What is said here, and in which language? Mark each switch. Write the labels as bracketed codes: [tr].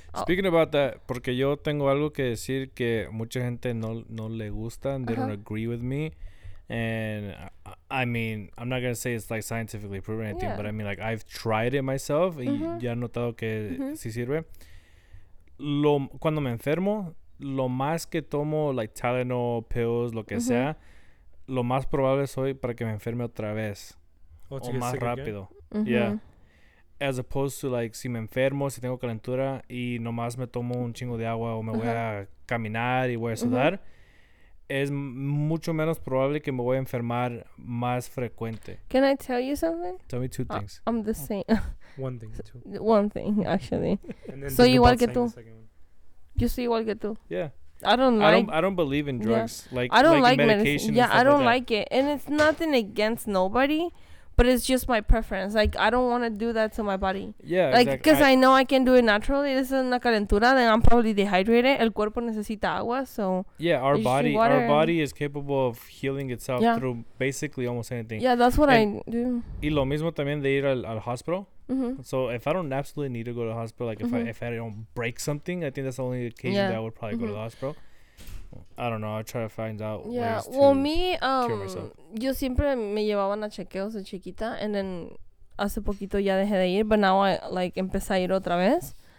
[en] Speaking about that, [es] porque yo tengo algo que decir que mucha gente no le gusta [en] and they don't agree with me. And I mean, I'm not going to say it's like scientifically proven anything, but I mean like I've tried it myself [es] y ya he notado que sí sirve. Cuando me enfermo, lo más que tomo [en] like Tylenol, pills, [es] lo que sea, lo más probable soy para que me enferme otra vez. Oh, o más rápido. Mm-hmm. [en] Yeah. As opposed to like [es] si me enfermo, si tengo calentura y nomás me tomo un chingo de agua o me voy a caminar y voy a sudar, es mucho menos probable que me voy a enfermar más frecuente. [en] Can I tell you something? Tell me 2 things. I'm the same. One thing, two. One thing, actually. [es] Soy igual que tú. Yo soy igual que tú. [en] Yeah. I don't believe in drugs. Yeah. Like I don't like medication. Medicine. Yeah, I don't like it. And it's nothing against nobody. But it's just my preference. Like, I don't want to do that to my body. Yeah, like, exactly. Because I know I can do it naturally. This is [es] una calentura. [en] Then I'm probably dehydrated. [es] El cuerpo necesita agua, [en] so. Yeah, our body is capable of healing itself through basically almost anything. Yeah, that's what I do. [es] Y lo mismo también de ir al hospital. [en] So if I don't absolutely need to go to the hospital, like if I don't break something, I think that's the only occasion that I would probably go to the hospital. I don't know. I'll try to find out. Yeah. Ways to well, me, cure [es] yo siempre me llevaban a chequeos de chiquita, [en] and then [es] hace poquito ya dejé de ir, [en] but now I like [es] empecé a ir otra vez.